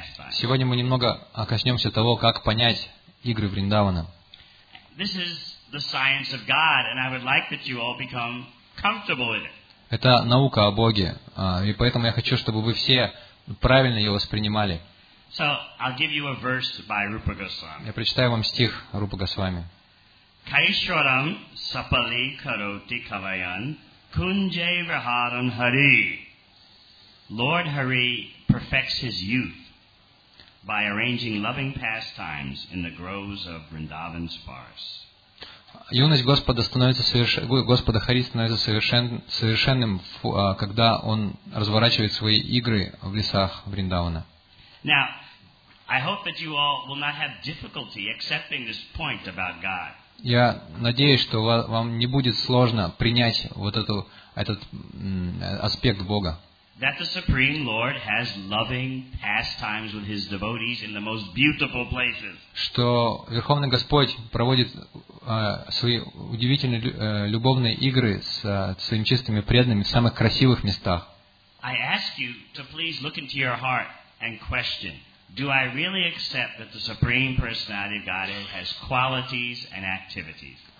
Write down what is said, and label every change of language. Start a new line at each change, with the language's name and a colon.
Russian: Сегодня мы немного коснемся того, как понять игры Вриндавана.
English: The science of God, and I would like that you all become comfortable with it.
Russian: Это наука о Боге, и поэтому я хочу, чтобы вы все правильно ее воспринимали.
English: So I'll give you a verse by Rupa Goswami.
Russian: Я прочитаю вам стих Рупа Госвами.
Sanskrit: Kaishwaram sapali karoti kavayan kunje viharan hari.
English: Lord Hari perfects his youth by arranging loving pastimes in the groves of Vrindavan's forest.
Russian: Юность Господа становится Господа Хари становится совершенным, когда Он разворачивает свои игры в лесах Вриндавана.
English: Now, I hope that you all will not have difficulty accepting this point about God.
Russian: Я надеюсь, что вам не будет сложно принять вот этот аспект Бога.
English: That the Supreme Lord has loving pastimes with his devotees in the most beautiful places.
Russian: Что Верховный Господь проводит свои удивительные любовные игры с своими чистыми преданными в самых красивых местах.
English: I ask you to please look into your heart and question, do I really accept that the Supreme Personality of Godhead has qualities and activities?